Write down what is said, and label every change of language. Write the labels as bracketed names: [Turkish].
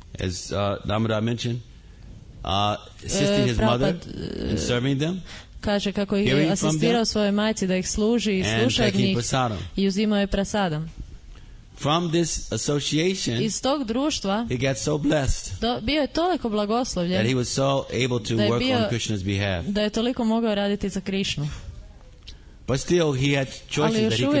[English] as Damodar mentioned, assisting his mother and serving them. [Croatian] Kaže kako je asistirao svojoj majci da ih služi i sluša njih i uzimao je prasadam. [English] From this association, [Croatian] iz tog društva, [English] he got so blessed. [Croatian] Bio je toliko blagoslovljen. [English] That he was so able to work on Krishna's behalf. [Croatian] Da je toliko mogao raditi za Krišnu. [English] But still he had choices that he could make.